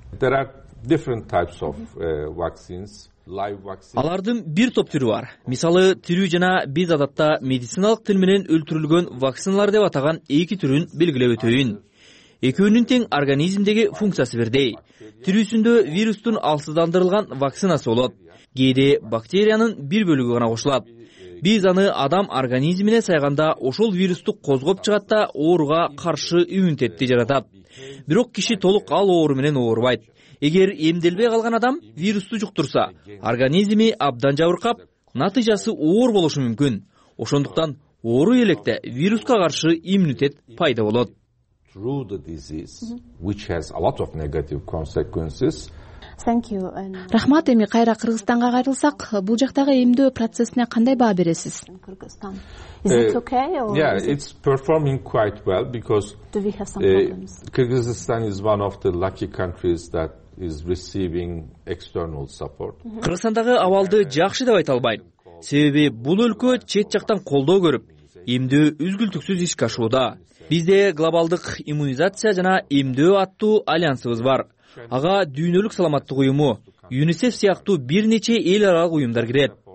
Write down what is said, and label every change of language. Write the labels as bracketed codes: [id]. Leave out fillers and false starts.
[en] There are different types of vaccines. [ky] Алардын бир топ түрү бар. Мисалы, тирүү жана биз адатта медициналык тил менен өлтүрүлгөн вакциналар деп атаган эки түрүн белгилеп өтөйүн. Экөөнүн тең организмдеги функциясы бирдей. Тирүүсүндө вирустун алсыздандырылган вакцинасы болот. Кээде бактериянын бир бөлүгү гана кошулат. Биз аны адам организмине сайганда ошол вирусту козгоп чыгат да ооруга каршы иммунитетти жаратат. Бирок киши толук ал оору менен оорубайт. Эгер эмделбей калган адам вирусту жуктурса, организми абдан жабыркап, натыйжасы оор болушу мүмкүн. Ошондуктан оору электе вируска каршы иммунитет пайда болот. [en] Through the disease, which has a lot of negative consequences. Thank you. [ky] Рахмат, эми кайра Кыргызстанга кайрылсак, бул жактагы эмдөө процессине кандай баа бересиз? [en] It's performing quite well because do we have some problems? Kyrgyzstan is one of the lucky countries that is receiving external support. [ky] Кыргызстандагы абалды жакшы деп айта албайм. Себеби бул өлкө чет жактан колдоо көрүп, эмдөө үзгүлтүксүз иш кашууда. Бизде глобалдык иммунизация жана эмдөө аттуу альянсыбыз бар. Ага дүйнөлүк саламаттык уюму, ЮНИСЕФ сыяктуу бир нече эл аралык уюмдар кирет.